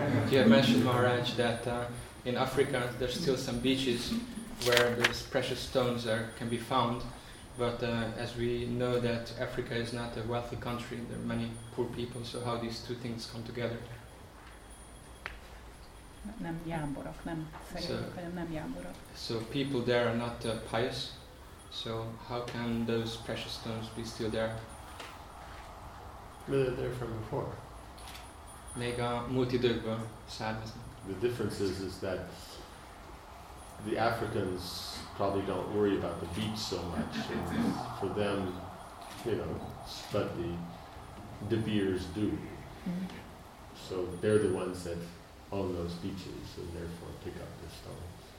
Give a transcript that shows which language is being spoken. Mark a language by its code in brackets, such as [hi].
[en] You have mentioned, Maharaj, that in Africa there's still some beaches where these precious stones can be found, but as we know that Africa is not a wealthy country, there are many poor people, so how these two things come together? [hu] Nem jámborok, nem szegények, hanem nem jámborok. [en] So people there are not pious. So how can those precious stones be still there? Well, they're from before. [hu] Még a múlt időkből származnak. [en] The difference is that the Africans probably don't worry about the beach so much. For them, you know, but the Beers do. Mm-hmm. So they're the ones that on those beaches, and therefore pick up the stones.